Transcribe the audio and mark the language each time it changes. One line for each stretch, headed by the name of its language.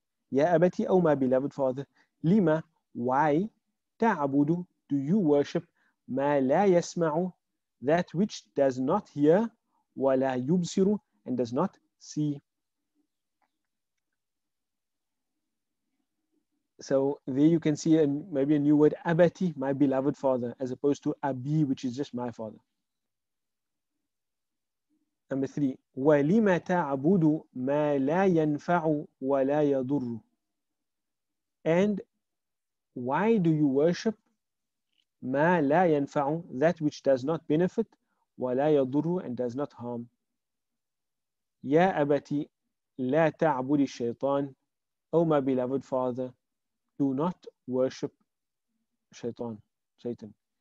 Arabic: Ya abati,
English: oh my beloved father.
Arabic: Lima,
English: why
Arabic: ta'budu,
English: do you worship
Arabic: ma la yasma'u,
English: that which does not hear,
Arabic: wa la yubsiru,
English: and does not see. So there you can see maybe a new word, abati, my beloved father, as opposed to abi, which is just my father. Number three,
Arabic: وَلِمَ تَعْبُدُ مَا لَا يَنْفَعُ وَلَا يَضُرُّ.
English: And why do you worship
Arabic: مَا لَا يَنْفَعُ,
English: that which does not benefit,
Arabic: وَلَا يَضُرُّ,
English: and does not harm.
Arabic: يَا أَبَتِي لَا تَعْبُدِ الشَّيْطَانِ,
English: oh my beloved father, do not worship Shaitan, Satan.